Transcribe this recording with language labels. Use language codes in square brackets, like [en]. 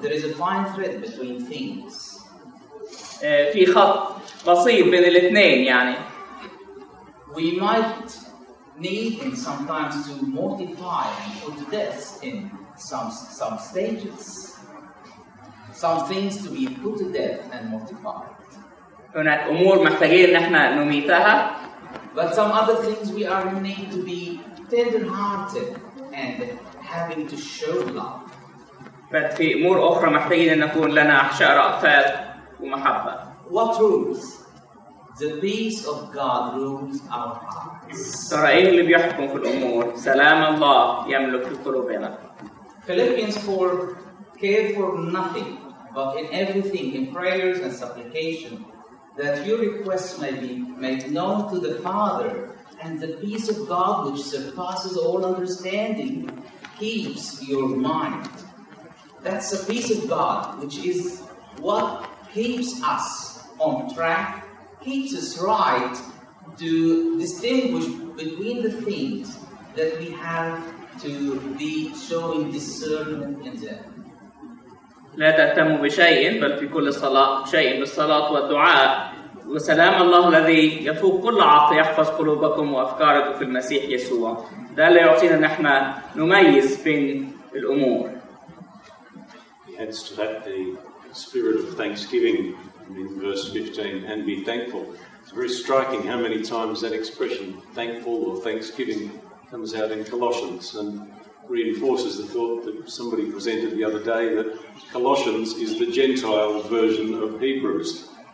[en] There is a fine thread between things. [ar] في خط بسيط بين الاثنين يعني. [en] We might need and sometimes to mortify and put to death in some stages. Some things to be put to death and mortified. [ar] هناك أمور محتاجين نحن نميتها. [en] But some other things we are need to be tender-hearted and having to show love. But [ar] في أمور أخرى محتاجين أن نكون لنا أحشاء رأفات ومحبة. [en] What rules? The peace of God rules our hearts. [ar] ترى إيه اللي بيحكم في الأمور؟ سلام الله يملك في قلوبنا. [en] Philippians 4, care for nothing, but in everything, in prayers and supplication, that your requests may be made known to the Father, and the peace of God, which surpasses all understanding, keeps your mind. That's the peace of God, which is what keeps us on track, keeps us right to distinguish between the things that we have to be showing discernment in them. [ar] لا تهتموا بشيء بل في كل صلاة شيء بالصلاة والدعاء وسلام الله الذي يفوق كل عقل يحفظ قلوبكم وأفكاركم في المسيح يسوع. ده اللي يعطينا أن احنا نميز بين الأمور. [en] Adds to that the spirit of thanksgiving in verse 15 and be thankful. It's very striking how many times that expression thankful or thanksgiving comes out in Colossians and reinforces the thought that somebody presented the other day that Colossians is the Gentile version of Hebrews.